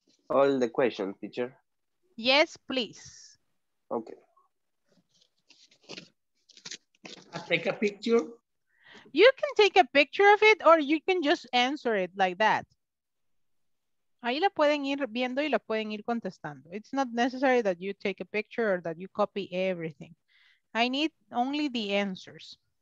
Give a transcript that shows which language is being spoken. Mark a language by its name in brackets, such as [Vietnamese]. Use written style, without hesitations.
[English] All the questions, teacher. Yes, please. Okay. I take a picture. You can take a picture of it or you can just answer it like that. [Spanish] Ahí lo pueden ir viendo y lo pueden ir contestando. [English] It's not necessary that you take a picture or that you copy everything. I need only the answers.